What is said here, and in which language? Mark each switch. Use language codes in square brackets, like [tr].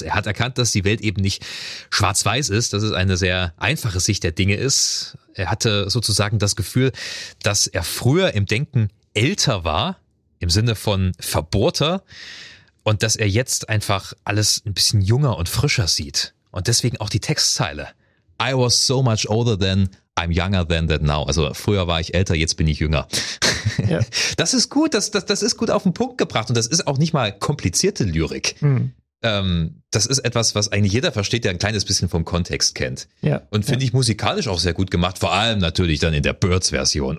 [de] Er hat erkannt, dass die Welt eben nicht schwarz-weiß ist, dass es eine sehr einfache Sicht der Dinge ist. Er hatte sozusagen das Gefühl, dass er früher im Denken älter war, im Sinne von verbohrter, und dass er jetzt einfach alles ein bisschen jünger und frischer sieht. Und deswegen auch die Textzeile. [en] I was so much older than, I'm younger than that now. [de] Also früher war ich älter, jetzt bin ich jünger. Ja. Das ist gut, das ist gut auf den Punkt gebracht und das ist auch nicht mal komplizierte Lyrik. Mhm. Das ist etwas, was eigentlich jeder versteht, der ein kleines bisschen vom Kontext kennt. Ja. Und finde ich musikalisch auch sehr gut gemacht, vor allem natürlich dann in der Birds-Version.